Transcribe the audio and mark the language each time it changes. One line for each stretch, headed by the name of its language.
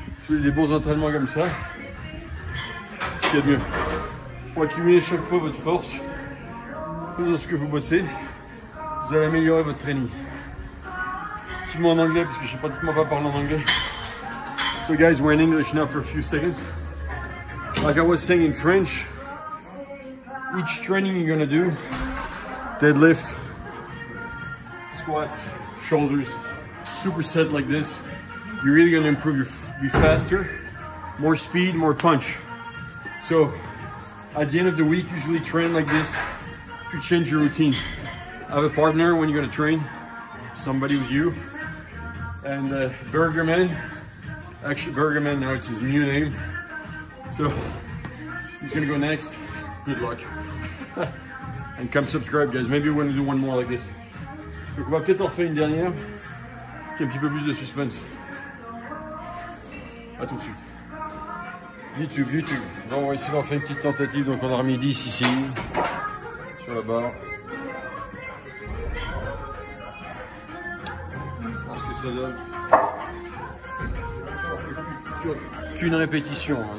French: Des bons entraînements comme ça, ce qu'il y a de mieux. Pour accumuler chaque fois votre force, lorsque vous bossez, vous allez améliorer votre training. Petit mot en anglais, parce que je ne sais pratiquement pas parler en anglais.
English: So guys, we're in English now for a few seconds. Like I was saying in French, each training you're gonna do, deadlift, squats, shoulders, superset like this, you're really gonna improve your be faster, more speed, more punch. So, at the end of the week, usually train like this to change your routine. Have a partner when you're gonna train, somebody with you. And Burgerman, actually Burgerman, now it's his new name. So, he's gonna go next. Good luck. And come subscribe, guys. Maybe we're gonna do one more like this.
French: Donc on va peut-être en faire une dernière, qui a un petit peu plus de suspense. A tout de suite. YouTube, YouTube. Non, on va essayer d'en faire une petite tentative. Donc on a remis 10 ici, sur la barre. Je pense que ça donne. Qu'une répétition. Hein.